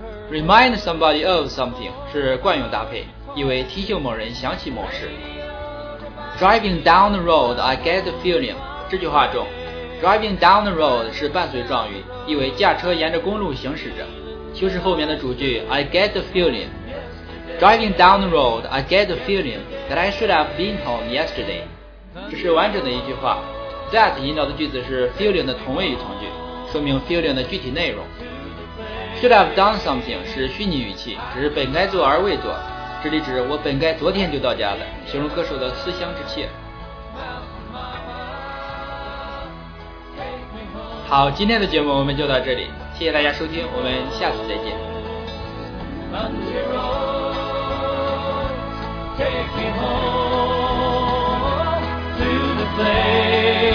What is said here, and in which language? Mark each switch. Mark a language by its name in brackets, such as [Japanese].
[Chinese] Remind somebody of something 是惯用搭配，意为提醒某人想起某事。 Driving down the road I get the feeling，这句话中 Driving down the road 是伴随状语，意为驾车沿着公路行驶着，修饰后面的主句 I get the feeling。 [English] Driving down the road I get the feeling that I should have been home yesterday。 [Chinese] 这是完整的一句话， that 引导的句子是 feeling 的同位语从句，说明 feeling 的具体内容。 Should have done something 是虚拟语气，只是本该做而未做，这里指我本该昨天就到家了，形容歌手的思乡之切。好，今天的节目我们就到这里，谢谢大家收听，我们下次再见。 [English] take me home to the place.